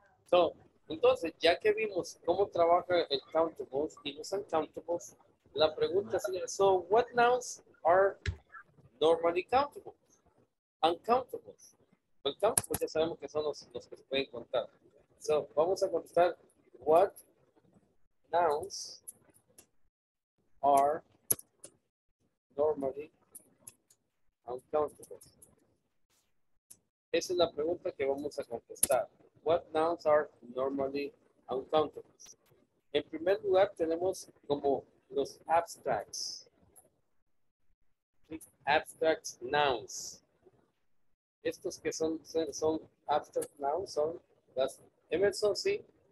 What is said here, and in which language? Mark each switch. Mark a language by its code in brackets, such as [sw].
[es] So, entonces, ya que vimos cómo trabaja el countables y los uncountables, la pregunta sería, [en] so what nouns are normally countables? [es] Uncountables. Well, countables ya sabemos que son los que se pueden contar. [en] So, [es] vamos a contestar, [en] what nouns are normally uncountables? [es] Esa es la pregunta que vamos a contestar. [en] What nouns are normally uncountable? [es] En primer lugar, tenemos como los abstracts. [en] Abstract nouns. [es] Estos que son abstract nouns son las. Emerson, ¿sí?